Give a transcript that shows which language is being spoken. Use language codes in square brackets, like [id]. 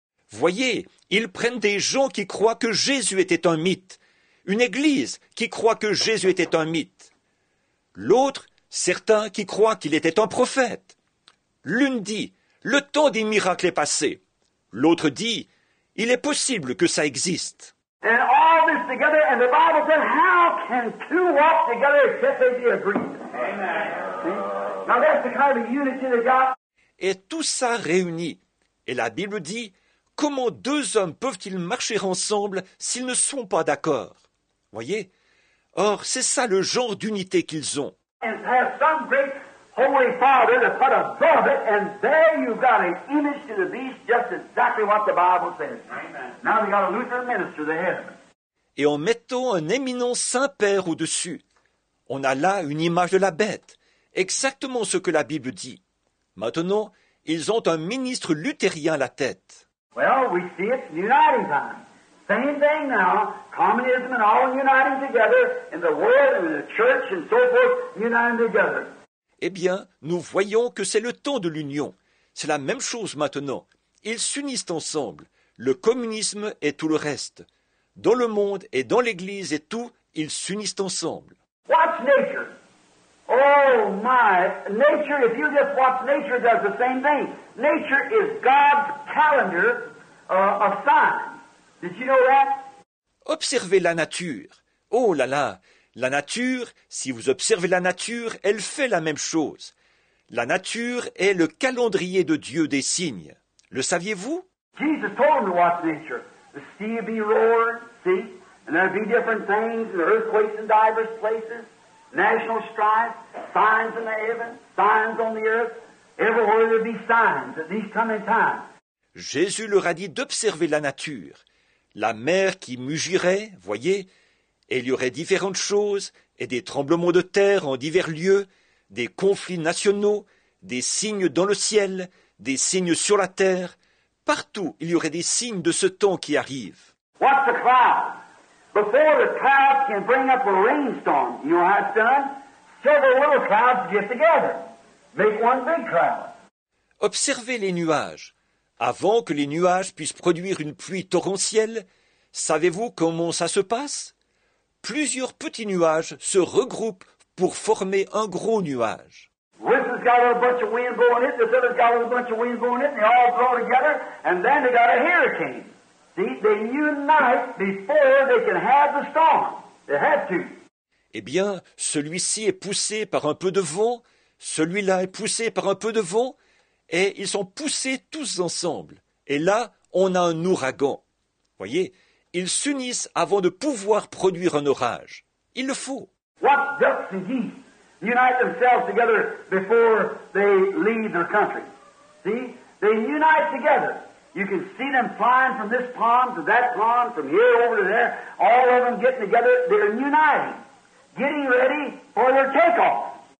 [fr] Voyez, ils prennent des gens qui croient que Jésus était un mythe. Une église qui croit que Jésus était un mythe. L'autre, certains qui croient qu'il était un prophète. L'une dit, le temps des miracles est passé. L'autre dit, il est possible que ça existe. [en] And all this together, and the Bible says, how can two walk together except they be agreed? Amen. Now that's the kind of unity they got. [fr] Et tout ça réuni. Et la Bible dit, comment deux hommes peuvent-ils marcher ensemble s'ils ne sont pas d'accord? Voyez? Or, c'est ça le genre d'unité qu'ils ont. [en] And to have some great holy father to put above it, and there you've got an image to the beast, just exactly what the Bible says. Amen. Now we've got a Lutheran minister there. [fr] Et en mettant un éminent Saint-Père au-dessus, on a là une image de la bête, exactement ce que la Bible dit. Maintenant, ils ont un ministre luthérien à la tête. [en] Well, we see it's uniting time. Same thing now, communism and all uniting together, and the world and the church and so forth uniting together. [fr] Eh bien, nous voyons que c'est le temps de l'union. C'est la même chose maintenant. Ils s'unissent ensemble. Le communisme et tout le reste. Dans le monde et dans l'église et tout, ils s'unissent ensemble. [en] Watch nature. Oh my, nature, if you just watch nature, it does the same thing. Nature is God's calendar of signs. Did you know that? [fr] Observez la nature. Oh là là, la nature, si vous observez la nature, elle fait la même chose. La nature est le calendrier de Dieu des signes. Le saviez-vous? [en] Jesus told him to watch nature. The sea be roaring, see? And there'll be different things, and earthquakes in diverse places, national strife, signs in the heaven, signs on the earth. Everywhere there'll be signs at these coming times. [fr] Jésus leur a dit d'observer la nature. La mer qui mugirait, voyez, et il y aurait différentes choses, et des tremblements de terre en divers lieux, des conflits nationaux, des signes dans le ciel, des signes sur la terre. Partout, il y aurait des signes de ce temps qui arrive. [en] What's the cloud? Before the cloud can bring up a rainstorm, you know how it's done? Several little clouds get together. Make one big cloud. [fr] Observez les nuages. Avant que les nuages puissent produire une pluie torrentielle, savez-vous comment ça se passe? Plusieurs petits nuages se regroupent pour former un gros nuage. [en] This has got a bunch of wind blowing it, this other's got a bunch of wind blowing it, and they all blow together, and then they got a hurricane. See, they unite before they can have the storm. They had to. [fr] Eh bien, celui-ci est poussé par un peu de vent, celui-là est poussé par un peu de vent, et ils sont poussés tous ensemble. Et là, on a un ouragan. Voyez, ils s'unissent avant de pouvoir produire un orage. Il le faut. [en] What ducks and geese unite themselves together before they leave their country? See? They unite together. You can see them flying from this pond to that pond, from here over to there, all of them getting together. They're uniting, getting ready for their takeoff.